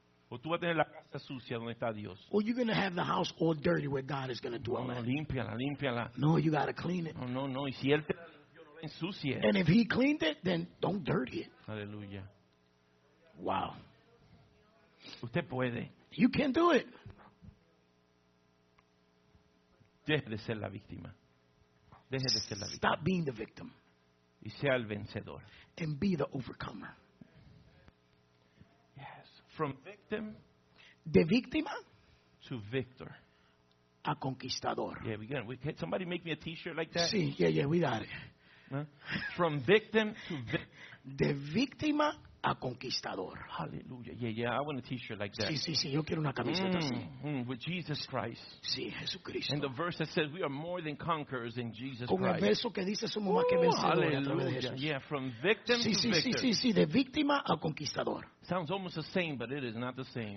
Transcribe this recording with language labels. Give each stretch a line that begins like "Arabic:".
Spanish: O tú vas a tener la casa sucia donde está Dios.
English: Or you're going to have the house all dirty where God is going to dwell.
Spanish: No, límpiala.
English: No, you got to clean it.
Spanish: No. Y si él te la limpió, no la ensucie.
English: And if he cleaned it, then don't dirty it.
Spanish: Aleluya.
English: Wow.
Spanish: Usted puede.
English: You can do it.
Spanish: Deje de ser la víctima. Deje de ser la víctima.
English: Stop being the victim.
Spanish: Y sea el vencedor.
English: And be the overcomer. Yes. From victim.
Spanish: De víctima.
English: To victor.
Spanish: A conquistador.
English: Yeah, we got it. Can somebody make me a t-shirt like that? Sí, yeah, yeah, we got it. From victim to
Spanish: de víctima a conquistador.
English: Hallelujah. Yeah, yeah, I want a t-shirt like that.
Spanish: Sí, sí, sí, yo quiero una camiseta así.
English: With Jesus Christ.
Spanish: Sí, Jesucristo.
English: And the verse that says we are more than conquerors in Jesus Christ.
Spanish: Con el verso que dice somos más que vencedores.
English: Hallelujah. Yeah, from victim
Spanish: sí,
English: to victor.
Spanish: Sí, sí, sí, de víctima a conquistador.
English: Sounds almost the same, but it is not the same.